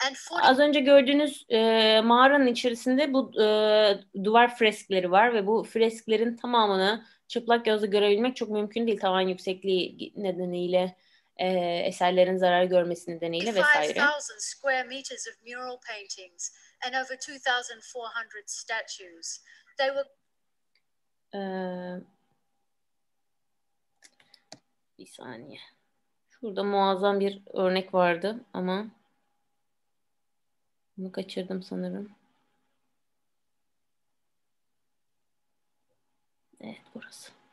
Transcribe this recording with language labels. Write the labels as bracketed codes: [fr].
[tr] Az önce gördüğünüz mağaranın içerisinde bu duvar freskleri var ve bu fresklerin tamamını çıplak gözle görebilmek çok mümkün değil. Tavan yüksekliği nedeniyle, eserlerin zarar görmesi nedeniyle vesaire. [en] 5,000 square meters of mural paintings and over 2,400 statues. They were... [tr] Bir saniye. Şurada muazzam bir örnek vardı ama bunu kaçırdım sanırım. Evet, burası.